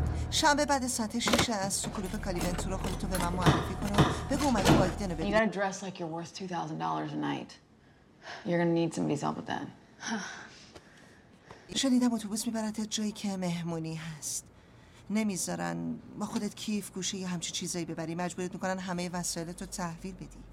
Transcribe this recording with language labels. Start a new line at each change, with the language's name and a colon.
Persian: شنبه بعد ساعت 6 از کلوب کالیونتورا خودتو به من معرفی کن و بگو اومده والدینو ببینی.
English: You gotta dress like you're worth $2,000 a night. You're gonna need somebody's help with that.
Persian: شنیدم اتوبوس میبرتت جایی که مهمونی هست. نمیذارن با خودت کیف، گوشی یا همچی چیزایی ببری. مجبورت میکنن همه وسایلتو تحویل بدی.